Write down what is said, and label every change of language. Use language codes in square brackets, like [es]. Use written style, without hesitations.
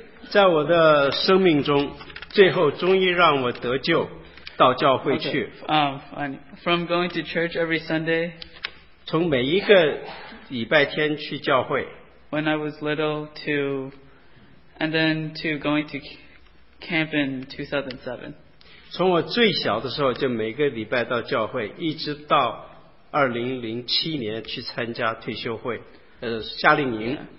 [zh] 在我的生命中，最后终于让我得救，到教会去。 [en] Okay. From going to church every Sunday. [zh] 从每一个礼拜天去教会。 [en] When I was little to, and then to going to camp in 2007. [zh] 从我最小的时候就每个礼拜到教会，一直到2007年去参加退休会，夏令营。